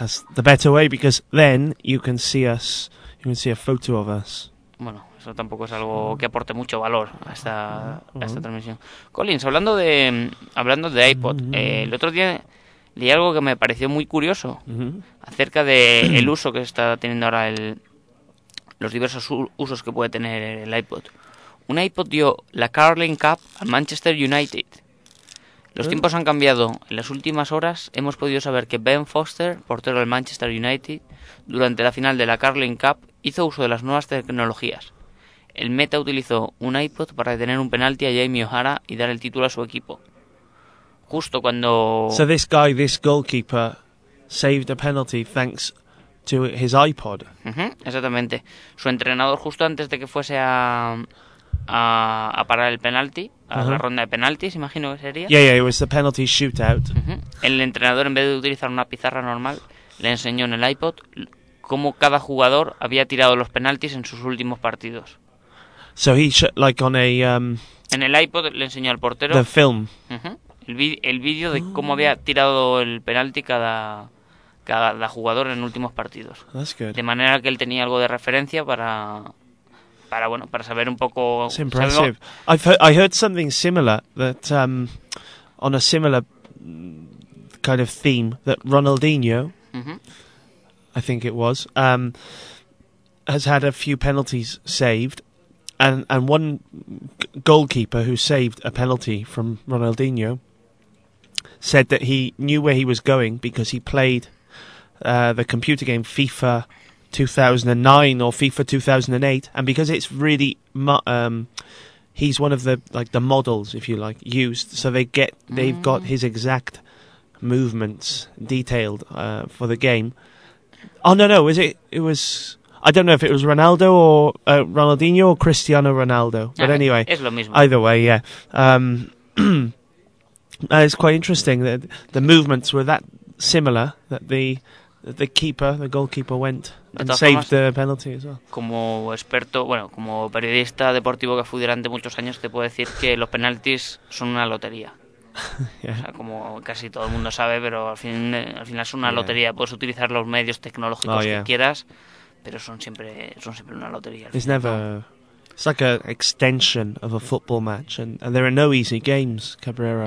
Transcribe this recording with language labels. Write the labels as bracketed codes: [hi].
[en] That's the better way, because then you can see a photo of us. [es] Bueno, eso tampoco es algo que aporte mucho valor a esta transmisión. Collins, hablando de iPod, mm-hmm. El otro día leí algo que me pareció muy curioso, mm-hmm. acerca del uso que está teniendo ahora los diversos usos que puede tener el iPod. Un iPod dio la Carling Cup al Manchester United. Los tiempos han cambiado. En las últimas horas hemos podido saber que Ben Foster, portero del Manchester United, durante la final de la Carling Cup hizo uso de las nuevas tecnologías. El Meta utilizó un iPod para detener un penalti a Jamie O'Hara y dar el título a su equipo. Justo cuando... [en] So this guy, this goalkeeper, saved a penalty thanks to his iPod. [es] Uh-huh, exactamente. Su entrenador, justo antes de que fuese a parar el penalti, a uh-huh. la ronda de penaltis, imagino que sería. [en] Yeah, it was the penalty shootout. Uh-huh. [es] El entrenador, en vez de utilizar una pizarra normal, le enseñó en el iPod cómo cada jugador había tirado los penaltis en sus últimos partidos. [en] So he [es] en el iPod le enseñó al portero [en] the film. Uh-huh. [es] El vídeo de cómo había tirado el penalti cada jugador en últimos partidos. [en] That's good. [es] De manera que él tenía algo de referencia para saber un poco. [en] It's impressive. I heard something similar that on a similar kind of theme that Ronaldinho, mm-hmm. I think it was, has had a few penalties saved and one goalkeeper who saved a penalty from Ronaldinho said that he knew where he was going because he played the computer game FIFA 2009 or FIFA 2008, and because it's really he's one of the the models, if you like, used, so they've got his exact movements detailed for the game. Oh no, is it? It was. I don't know if it was Ronaldo or Ronaldinho or Cristiano Ronaldo. But anyway, [es] es lo mismo. [en] Either way, yeah. it's quite interesting that the movements were that similar that the goalkeeper went and saved the penalty as well. [es] Como experto, bueno, como periodista deportivo que fui durante muchos años, te puedo decir que los penaltis son una lotería. Yeah. O sea, como casi todo el mundo sabe, pero al final es una lotería. Puedes utilizar los medios tecnológicos que quieras, pero son siempre una lotería. [en] It's never. It's like an extension of a football match, and there are no easy games, Cabrera.